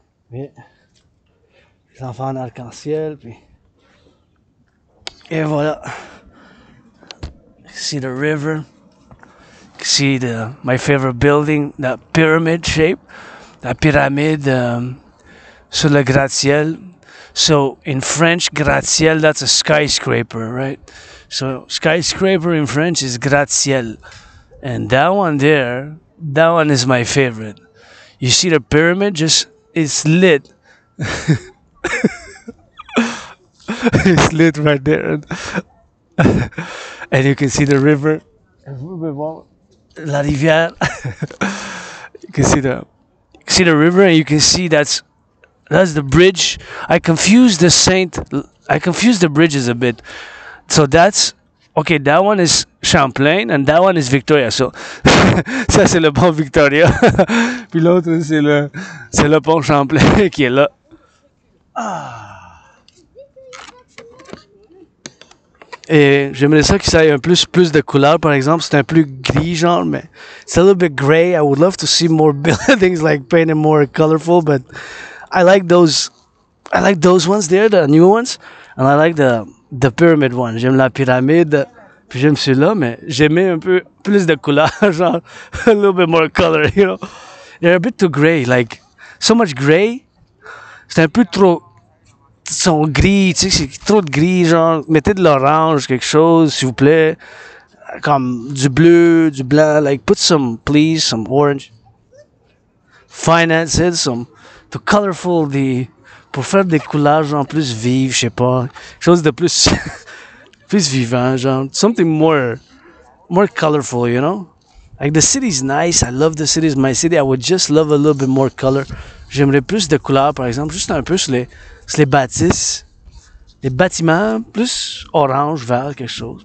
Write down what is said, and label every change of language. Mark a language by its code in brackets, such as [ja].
[fr] Yeah, les enfants arc-en-ciel, puis, et voilà. [en] See the river. See the my favorite building, that pyramid shape, that pyramid. [fr] Sur le gratte-ciel. [en] So in French, gratte-ciel, that's a skyscraper, right? So skyscraper in French is gratte-ciel. And that one there, that one is my favorite. You see the pyramid? Just, it's lit. It's lit right there. And you can see the river. [fr] La rivière. [en] You can see the river, and you can see that's the bridge. I confuse the Saint. I confuse the bridges a bit. So that's okay. That one is Champlain, and that one is Victoria. [fr] So, ça c'est le pont Victoria. Puis l'autre c'est le pont Champlain qui est là. Et j'aimerais ça qu'il ait un plus de couleurs. Par exemple, c'est un plus gris genre, mais [en] it's a little bit gray. I would love to see more buildings like painted more colorful, but I like those ones there, the new ones, and I like the pyramid one. [fr] J'aime la pyramide, puis j'aime celui-là, mais j'aimais un peu plus de couleur, genre [en] a little bit more color, you know. They're a bit too gray, like so much gray. [fr] C'est un peu trop, sont gris, tu sais, c'est trop de gris, genre mettez de l'orange, quelque chose, s'il vous plaît, comme du bleu, du blanc, [en] like put some, please, some orange. Finance it, some. To colorful the, [fr] pour faire des couleurs genre plus vives, je sais pas, chose de plus, plus vivant, genre [en] something more colorful, you know. Like the city's nice, I love the city, it's my city. I would just love a little bit more color. [fr] J'aimerais plus de couleurs, par exemple, juste un peu sur les bâtisses, les bâtiments plus orange, vert, quelque chose.